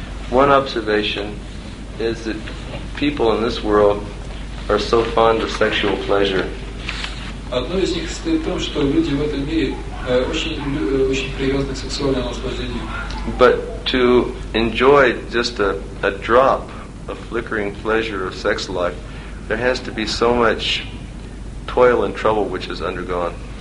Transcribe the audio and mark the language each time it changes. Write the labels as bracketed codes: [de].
[en] One observation is that people in this world are so fond of sexual pleasure. [ru] Одно из них состоит в том, что люди в этом мире очень привязаны к сексуальному наслаждению. [en] But to enjoy just a drop of flickering pleasure of sex life, there has to be so much toil and trouble which is undergone.